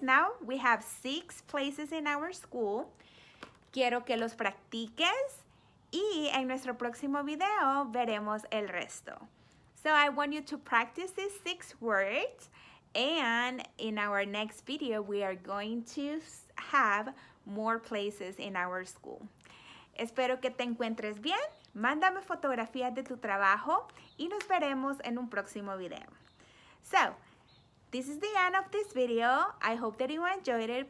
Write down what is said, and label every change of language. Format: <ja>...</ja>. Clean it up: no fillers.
<en>Now we have six places in our school.</en> <es>Quiero que los practiques y en nuestro próximo video veremos el resto.</es> <en>So I want you to practice these six words, and in our next video, we are going to have more places in our school.</en> <es>Espero que te encuentres bien. Mándame fotografías de tu trabajo y nos veremos en un próximo video.</es> <en>So, this is the end of this video. I hope that you enjoyed it.</en>